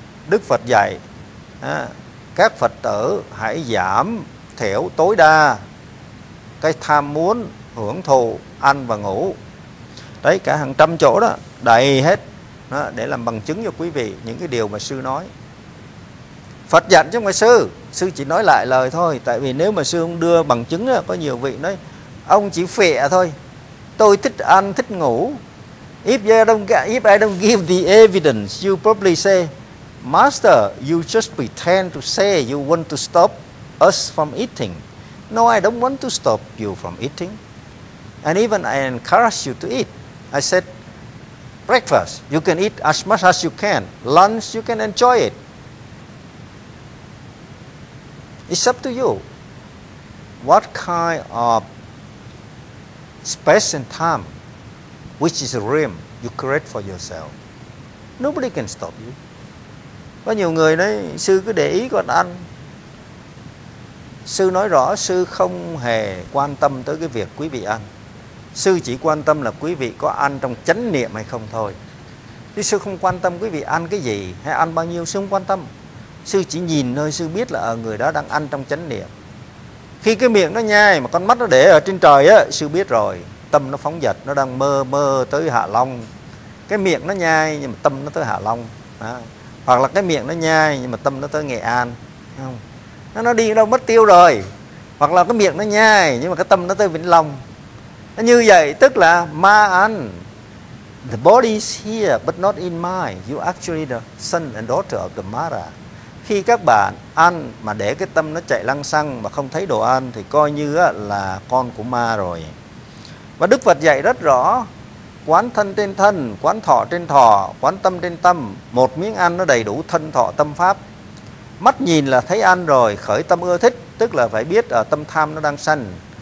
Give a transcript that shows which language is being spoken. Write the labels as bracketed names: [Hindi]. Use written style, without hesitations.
[Vietnamese] Đức Phật dạy, các Phật tử hãy giảm thiểu tối đa cái tham muốn, hưởng thụ, ăn và ngủ. Đấy, cả hàng trăm chỗ đó, đầy hết, để làm bằng chứng cho quý vị những cái điều mà sư nói. Phật dặn chứ không phải sư chỉ nói lại lời thôi. Tại vì nếu mà sư không đưa bằng chứng, có nhiều vị nói, ông chỉ khỏe thôi. Tôi thích ăn, thích ngủ. [English] If I don't give the evidence, you probably say, Master, you just pretend to say you want to stop us from eating. No, I don't want to stop you from eating. And even I encourage you to eat. I said, breakfast, you can eat as much as you can. Lunch, you can enjoy it. It's up to you. What kind of space and time, which is a rim, you create for yourself? Nobody can stop you. [Vietnamese] Có nhiều người nói, sư cứ để ý con ăn. Sư nói rõ, sư không hề quan tâm tới cái việc quý vị ăn. Sư chỉ quan tâm là quý vị có ăn trong chánh niệm hay không thôi. Chứ sư không quan tâm quý vị ăn cái gì hay ăn bao nhiêu, sư không quan tâm. Sư chỉ nhìn thôi, sư biết là người đó đang ăn trong chánh niệm. Khi cái miệng nó nhai mà con mắt nó để ở trên trời á, sư biết rồi, tâm nó phóng dật, nó đang mơ tới Hạ Long. Cái miệng nó nhai nhưng mà tâm nó tới Hạ Long. Đó. Hoặc là cái miệng nó nhai nhưng mà tâm nó tới Nghệ An. Không. Nó đi đâu mất tiêu rồi. Hoặc là cái miệng nó nhai nhưng mà cái tâm nó tới Vĩnh Long. Như vậy tức là ma ăn. [English] The body is here but not in mind. You actually the son and daughter of the Mara. [Vietnamese] Khi các bạn ăn mà để cái tâm nó chạy lăng xăng mà không thấy đồ ăn thì coi như là con của ma rồi. Và Đức Phật dạy rất rõ, quán thân trên thân, quán thọ trên thọ, quán tâm trên tâm. Một miếng ăn nó đầy đủ thân thọ tâm pháp. Mắt nhìn là thấy ăn rồi, khởi tâm ưa thích, tức là phải biết tâm tham nó đang sanh.